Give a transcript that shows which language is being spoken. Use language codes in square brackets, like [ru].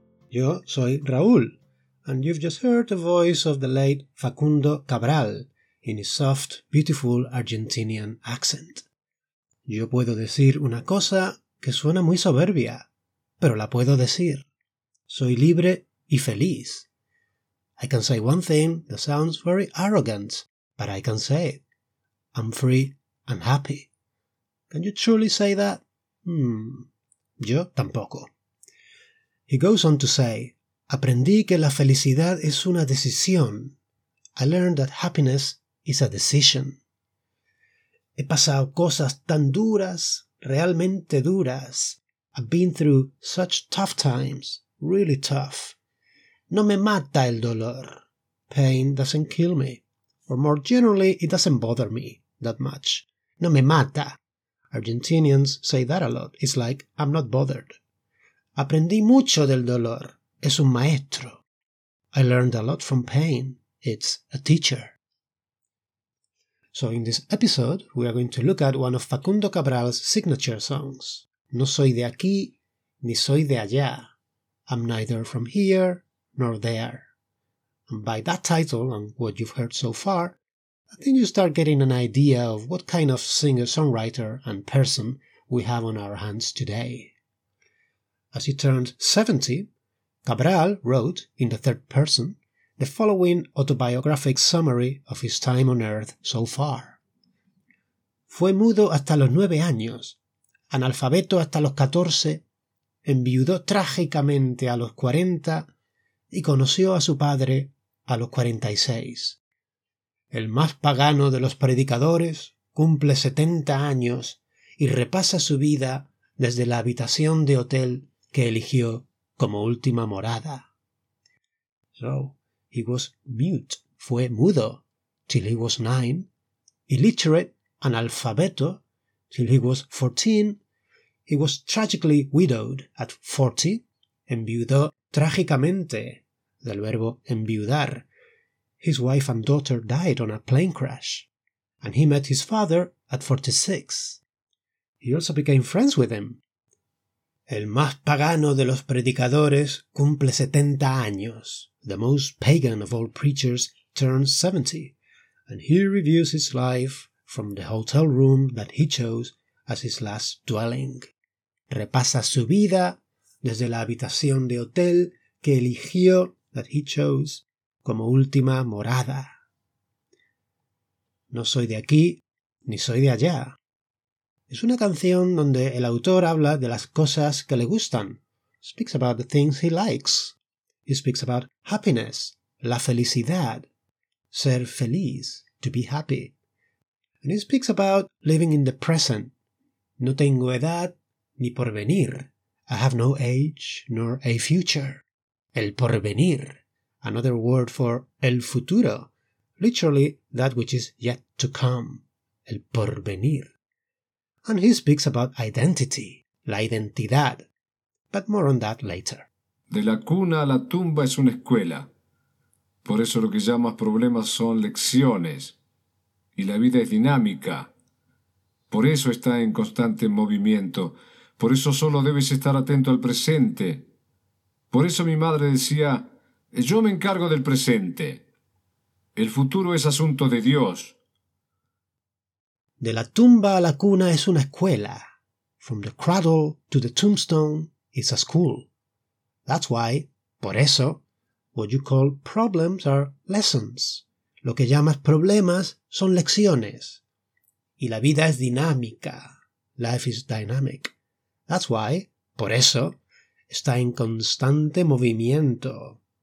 [es] Yo soy Raúl, [en] and you've just heard the voice of the late Facundo Cabral in his soft, beautiful Argentinian accent. [es] Yo puedo decir una cosa que suena muy soberbia, pero la puedo decir. Soy libre y feliz. [en] I can say one thing that sounds very arrogant, but I can say it. I'm free and happy. Can you truly say that? [es] Yo tampoco. [en] He goes on to say, [es] aprendí que la felicidad es una decisión. [en] I learned that happiness is a decision. [es] He pasado cosas tan duras, realmente duras. [en] I've been through such tough times, really tough. [es] No me mata el dolor. [en] Pain doesn't kill me. Or more generally, it doesn't bother me that much. [es] No me mata. [en] Argentinians say that a lot. It's like, I'm not bothered. [es] Aprendí mucho del dolor. Es un maestro. [en] I learned a lot from pain. It's a teacher. So in this episode, we are going to look at one of Facundo Cabral's signature songs. [es] No soy de aquí, ni soy de allá. [en] I'm neither from here nor there. And by that title and what you've heard so far, I think you start getting an idea of what kind of singer-songwriter and person we have on our hands today. As he turned 70, Cabral wrote, in the third person, the following autobiographic summary of his time on Earth so far. [es] Fue mudo hasta los 9 años, analfabeto hasta los 14, enviudó trágicamente a los 40 y conoció a su padre a los 46. El más pagano de los predicadores cumple 70 años y repasa su vida desde la habitación de hotel que eligió como última morada. [en] So, he was mute, [es] fue mudo, [en] till he was 9, illiterate, analfabeto, till he was 14, he was tragically widowed at 40, [es] enviudó trágicamente, del verbo enviudar. [en] His wife and daughter died on a plane crash, and he met his father at 46. He also became friends with him. [es] El más pagano de los predicadores cumple 70 años. [en] The most pagan of all preachers turns 70, and he reviews his life from the hotel room that he chose as his last dwelling. [es] Repasa su vida desde la habitación de hotel que eligió, [en] that he chose, [es] como última morada. No soy de aquí, ni soy de allá. Es una canción donde el autor habla de las cosas que le gustan. [en] Speaks about the things he likes. He speaks about happiness, [es] la felicidad, ser feliz, [en] to be happy. And he speaks about living in the present. [es] No tengo edad, ni porvenir. [en] I have no age, nor a future. [es] El porvenir. [en] Another word for [es] el futuro, [en] literally that which is yet to come, [es] el porvenir. [en] And he speaks about identity, la identidad, but more on that later. [es] De la cuna a la tumba es una escuela, por eso lo que llamas problemas son lecciones, y la vida es dinámica, por eso está en constante movimiento, por eso solo debes estar atento al presente. Por eso mi madre decía, yo me encargo del presente. El futuro es asunto de Dios. De la tumba a la cuna es una escuela. [en] From the cradle to the tombstone is a school. That's why, [es] por eso, [en] what you call problems are lessons. [es] Lo que llamas problemas son lecciones. Y la vida es dinámica. [en] Life is dynamic. That's why, [es] por eso, está en constante movimiento.